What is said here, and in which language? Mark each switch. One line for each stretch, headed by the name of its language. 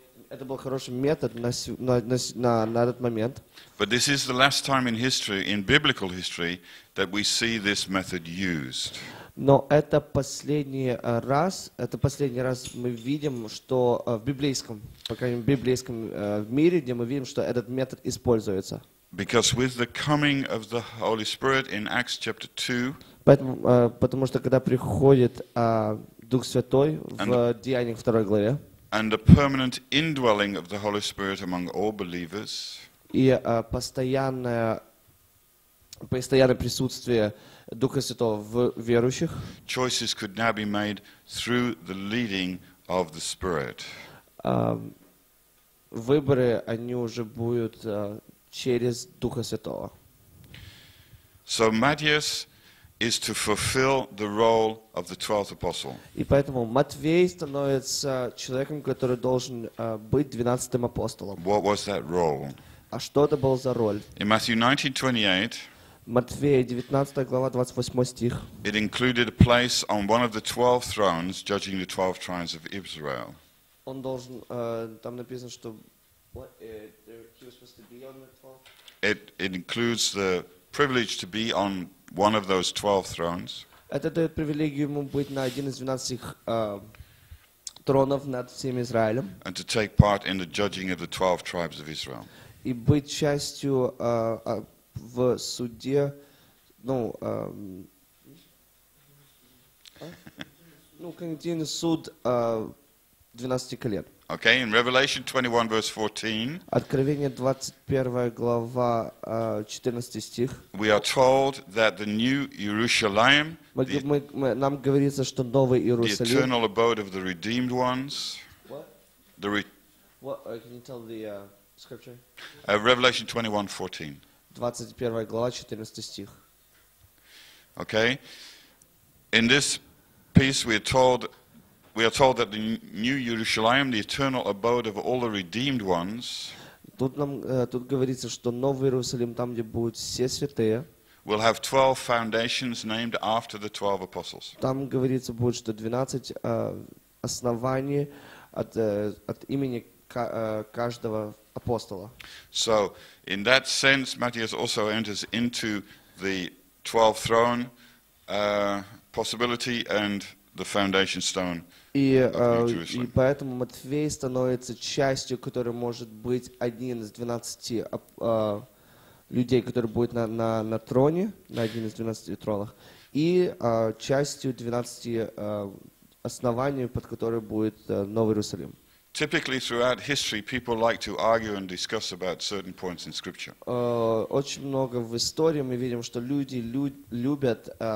Russian: Это был хороший метод на этот момент.
English: But this is the last time in history, in biblical history, that we see this method used.
Russian: Но это последний раз, мы видим, что в библейском, по крайней мере, в мире, где мы видим, что этот метод используется.
English: Because with the coming of the Holy Spirit in Acts chapter 2,
Russian: потому что когда приходит Дух Святой в Деяниях 2 главе.
English: And the permanent indwelling of the Holy Spirit among all believers.
Russian: И постоянное присутствие Духа Святого в верующих.
English: Choices could now be made through the leading of the Spirit.
Russian: Выборы они уже будут через Духа Святого.
English: So Matthias is to fulfill the role of the 12th apostle.
Russian: И поэтому Матвей становится человеком, который должен быть 12-м апостолом.
English: What was that role?
Russian: А что это был за роль?
English: In Matthew 19:28,
Russian: Матфея 19 глава 28 стих.
English: It included a place on one of the 12 thrones judging the 12 tribes of Israel.
Russian: Он должен там написано, что
English: he was supposed to be on the 12th. It includes the privilege to be on one of those 12 thrones.
Russian: Это дает привилегию ему быть на один из 12 тронов над всем Израилем.
English: And to take part in the judging of the 12 tribes of Israel.
Russian: И быть частью в суде, конгрегационный суд 12 колен.
English: Okay, in Revelation 21, verse 14.
Russian: Откровение 21 глава 14 стих.
English: We are told that the new Jerusalem.
Russian: Нам говорится, что новый Иерусалим.
English: The eternal abode of the redeemed ones. Can you tell the scripture? Revelation 21, 14.
Russian: 21 глава 14 стих.
English: Okay, in this piece we are told. We are told that the new Jerusalem, the eternal abode of all the redeemed ones,
Russian: тут говорится, что новый Иерусалим, там где будут все святые,
English: will have 12 foundations named after the 12 apostles.
Russian: Там говорится будет, что 12 оснований от имени каждого апостола.
English: So, in that sense, Matthias also enters into the 12 throne possibility and the foundation stone.
Russian: И поэтому Матфей становится частью, которая может быть один из 12 людей, которые будут на троне, на один из 12 тронах, и частью 12 оснований, под которые будет Новый Иерусалим.
English: Typically throughout history people like to argue and discuss about certain points in scripture.
Russian: Очень много в истории мы видим, что люди любят